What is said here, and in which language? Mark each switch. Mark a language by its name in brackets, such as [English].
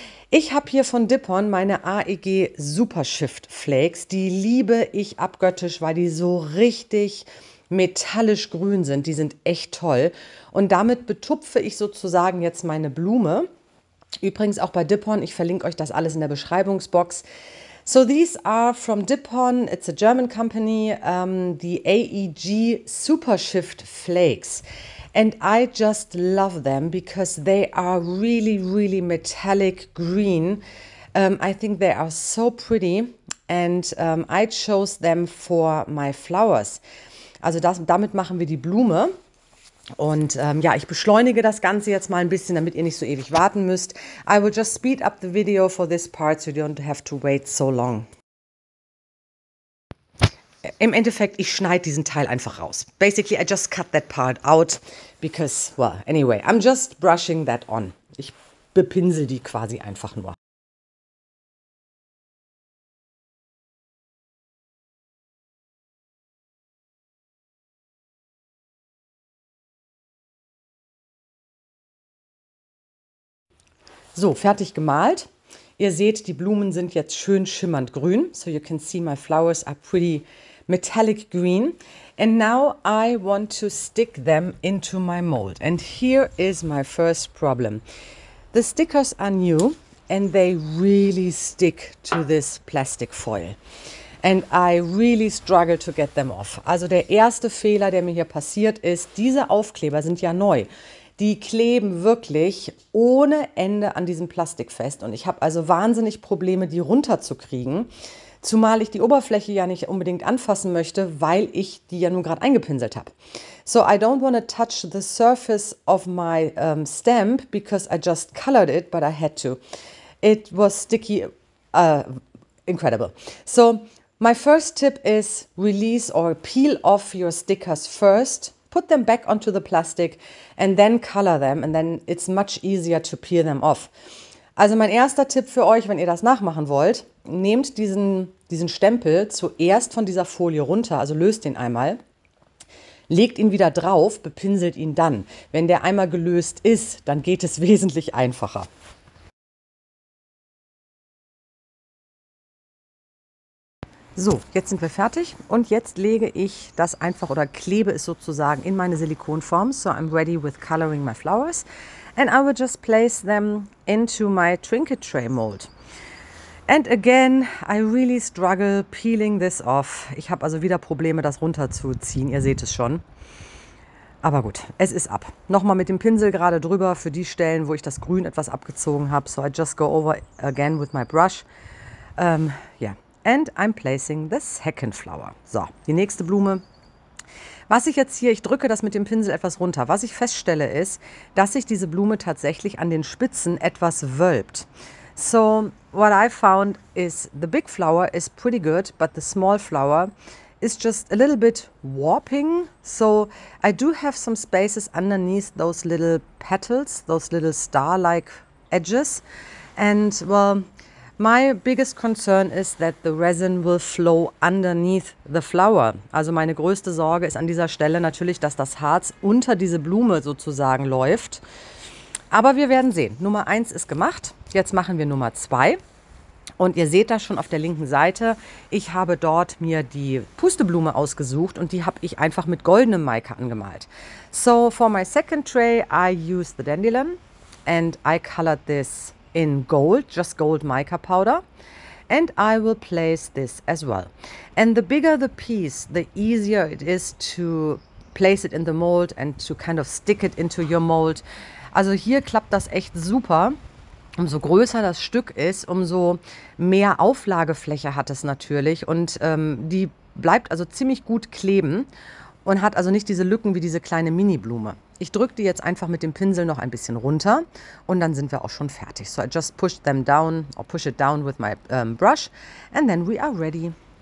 [German] Ich habe hier von Dipon meine AEG Super Shift Flakes. Die liebe ich abgöttisch, weil die so richtig metallisch grün sind. Die sind echt toll. Und damit betupfe ich sozusagen jetzt meine Blume. Übrigens auch bei Dipon, ich verlinke euch das alles in der Beschreibungsbox. [English] So these are from Dipon, it's a German company, the AEG Super Shift Flakes. And I just love them because they are really, really metallic green. I think they are so pretty and I chose them for my flowers. [German] Also damit machen wir die Blume. Und ja, ich beschleunige das Ganze jetzt mal ein bisschen, damit ihr nicht so ewig warten müsst. [English] I will just speed up the video for this part, so you don't have to wait so long. [German] Im Endeffekt, ich schneide diesen Teil einfach raus. [English] Basically, I just cut that part out, because, well, anyway, I'm just brushing that on. [German] Ich bepinsel die quasi einfach nur. So, fertig gemalt. Ihr seht, die Blumen sind jetzt schön schimmernd grün. [English] So you can see my flowers are pretty metallic green. And now I want to stick them into my mold. And here is my first problem. The stickers are new and they really stick to this plastic foil. And I really struggle to get them off. [German] Also der erste Fehler, der mir hier passiert ist, diese Aufkleber sind ja neu. Die kleben wirklich ohne Ende an diesem Plastik fest und ich habe also wahnsinnig Probleme, die runterzukriegen, zumal ich die Oberfläche ja nicht unbedingt anfassen möchte, weil ich die ja nun gerade eingepinselt habe. [English] So I don't want to touch the surface of my stamp because I just colored it, but I had to. It was sticky, incredible. So my first tip is release or peel off your stickers first. Put them back onto the plastic and then color them and then it's much easier to peel them off. [German] Also mein erster Tipp für euch, wenn ihr das nachmachen wollt, nehmt diesen Stempel zuerst von dieser Folie runter, also löst den einmal, legt ihn wieder drauf, bepinselt ihn dann. Wenn der einmal gelöst ist, dann geht es wesentlich einfacher. So, jetzt sind wir fertig und jetzt lege ich das einfach oder klebe es sozusagen in meine Silikonform. [English] So, I'm ready with coloring my flowers. and I will just place them into my trinket tray mold. And again, I really struggle peeling this off. [German] Ich habe also wieder Probleme, das runterzuziehen. Ihr seht es schon. Aber gut, es ist ab. Nochmal mit dem Pinsel gerade drüber für die Stellen, wo ich das Grün etwas abgezogen habe. [English] So I just go over again with my brush. Yeah. And I'm placing the second flower. [German] So, die nächste Blume. Was ich jetzt hier, ich drücke das mit dem Pinsel etwas runter. Was ich feststelle ist, dass sich diese Blume tatsächlich an den Spitzen etwas wölbt. [English] So, what I found is the big flower is pretty good, but the small flower is just a little bit warping. So, I do have some spaces underneath those little petals, those little star-like edges. And, well, my biggest concern is that the resin will flow underneath the flower. [German] Also meine größte Sorge ist an dieser Stelle natürlich, dass das Harz unter diese Blume sozusagen läuft. Aber wir werden sehen. Nummer 1 ist gemacht. Jetzt machen wir Nummer 2. Und ihr seht das schon auf der linken Seite. Ich habe dort mir die Pusteblume ausgesucht und die habe ich einfach mit goldenem Mica angemalt. [English] So for my second tray I use the dandelion and I colored this in gold, just gold mica powder, and I will place this as well. And the bigger the piece, the easier it is to place it in the mold and to kind of stick it into your mold. [German] Also hier klappt das echt super. Umso größer das Stück ist, umso mehr Auflagefläche hat es natürlich und die bleibt also ziemlich gut kleben und hat also nicht diese Lücken wie diese kleine Mini-Blume. Ich drücke die jetzt einfach mit dem Pinsel noch ein bisschen runter und dann sind wir auch schon fertig. [English] So I just push them down or push it down with my brush and then we are ready.